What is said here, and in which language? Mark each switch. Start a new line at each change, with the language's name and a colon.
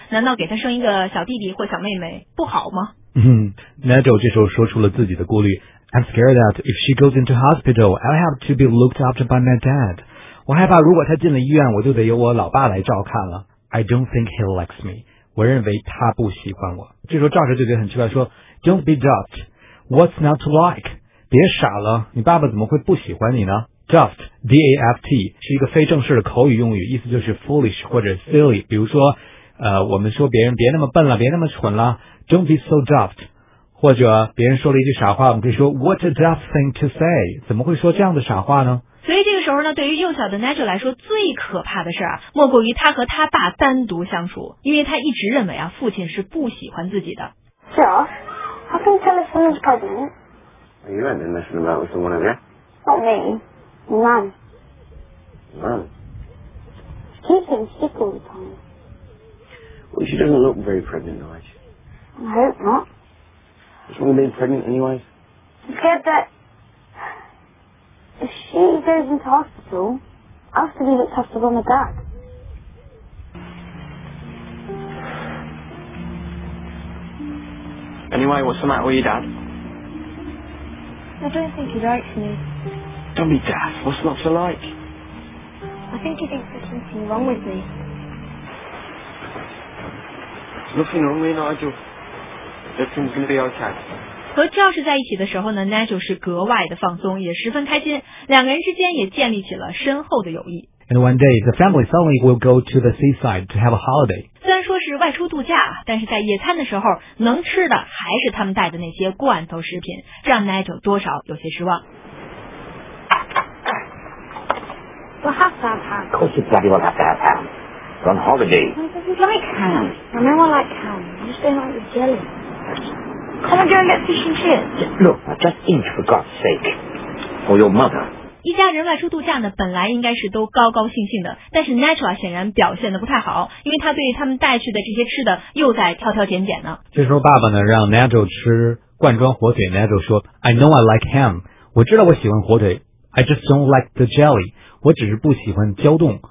Chinese: 难道给他生一个小弟弟或小妹妹不好吗？嗯 ，Nigel 这时候说出了自己的顾虑。
English: I'm scared that if she goes into hospital, I'll have to be looked after by my dad.
Chinese: 我害怕如果她进了医院，我就得由我老爸来照看了。
English: I don't think he likes me.
Chinese: 我认为他不喜欢我。这时候 Josh 就觉得很奇怪，说。
English: Don't be daft. What's not to like?
Chinese: 别傻了，你爸爸怎么会不喜欢你呢 ？Daft, D-A-F-T, 是一个非正式的口语用语，意思就是 foolish 或者 silly。比如说，我们说别人别那么笨了，别那么蠢了。 Don't be so daft. 或者别人说了一句傻话，我们可以说 What a daft thing to say. 怎么会说这样的傻话呢？所以这个时候呢，对于幼小的 Nigel 来说，最可怕的事啊，莫过于他和他爸单独相处，因为他一直认为啊，父亲是不喜欢自己的。
English: 是啊。How can you tell if someone's pregnant? You ain't been messing about with someone, have you? Not me. Mum. Mum? She's been sick all the time. Well, she doesn't look very pregnant, though, I hope not. Is she going to be pregnant anyways? Except that if she goes into hospital, I'll have to be looked after by my dad. Anyway, what's the matter with your dad? I don't think he likes me. Don't be daft. What's not to like? I think he thinks there's something wrong with me. Nothing wrong with Nigel. Everything's going to be okay.
Chinese: 和 Josh 在一起的时候呢 ，Nigel 是格外的放松，也十分开心。两个人之间也建立起了深厚的友谊。
English: And one day, the family suddenly will go to the seaside to have a holiday.
Chinese: 虽然说是外出度假，但是在野餐的时候，能吃的还是他们带的那些罐头食品，让 Nigel 多少有些失望。
English: We'll have to have ham. Of course, you bloody will have to have ham. We're on holiday. He doesn't like ham. I know I like ham. I just don't like the jelly. Come and go and get fish and chips. Look, I just eat for God's sake. For your mother.
Chinese: 一家人外出度假呢，本来应该是都高高兴兴的，但是 Nigel 显然表现得不太好，因为他对他们带去的这些吃的又在挑挑拣拣呢。这时候爸爸呢，让 Nigel 吃罐装火腿。Nigel 说 ，
English: I know I like ham.
Chinese: 我知道我喜欢火腿。
English: I just don't like the jelly.
Chinese: 我只是不喜欢胶冻。